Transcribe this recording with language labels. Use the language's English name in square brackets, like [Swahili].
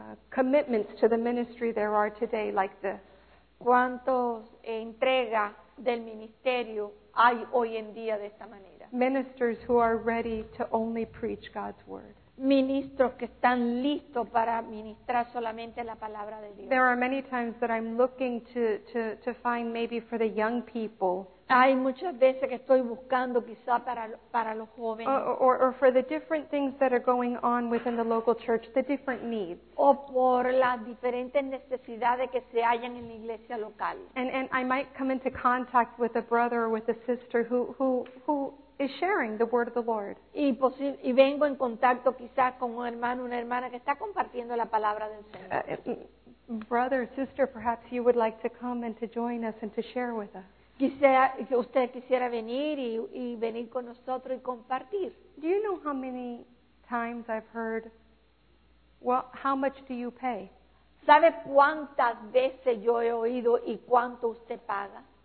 [English] commitments to the ministry there are today like this. [Spanish] ¿Cuántos entrega del ministerio hay hoy en día de esta manera? [English] Ministers who are ready to only preach God's word. [Spanish] Ministros que están listos para ministrar solamente la palabra de Dios. [English] There are many times that I'm looking to find maybe for the young people. [Spanish] Hay muchas veces que estoy buscando quizá para los jóvenes. [English] Or for the different things that are going on within the local church, the different needs. [Spanish] O por las diferentes necesidades que se hallan en la iglesia local. [English] And I might come into contact with a brother or with a sister who is sharing the word of the Lord. [Spanish] Y vengo en contacto quizás con un hermano, una hermana que está compartiendo la palabra del Señor. [English] Brother, sister, perhaps you would like to come and to join us and to share with us. [Spanish] Quizá usted quisiera venir y venir con nosotros y compartir. [English] Do you know how many times I've heard, well, how much do you pay? [Spanish] ¿Sabe cuántas veces yo he oído y cuánto usted paga?